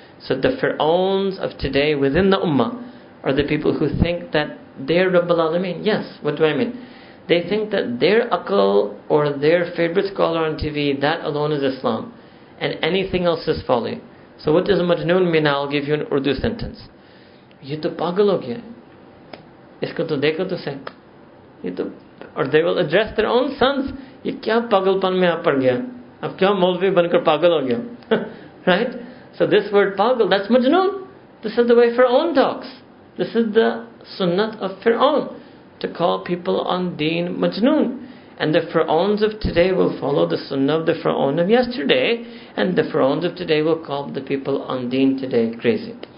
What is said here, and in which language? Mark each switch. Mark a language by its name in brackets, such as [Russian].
[English] So the Fir'auns of today within the Ummah are the people who think that they're Rabbul Alameen. Yes, what do I mean? They think that their akal or their favorite scholar on TV, that alone is Islam. And anything else is folly. So what does Majnoon mean? I'll give you an Urdu sentence. [Urdu] یہ تو پاگل ہو گیا۔ اسکو تو دیکھو تو صحیح۔ Ye to, [English] or they will address their own sons. [Urdu] یہ کیا پاگلپن میں آپ پڑ گیا۔ اب کیا مولوی بنکر پاگل ہو گیا۔ [English] Right? So this word pagal, that's Majnoon. This is the way Fir'aun talks. This is the sunnah of Fir'aun, to call people on deen Majnoon. And the Fir'auns of today will follow the sunnah of the Fir'aun of yesterday, and the Fir'auns of today will call the people on deen today crazy.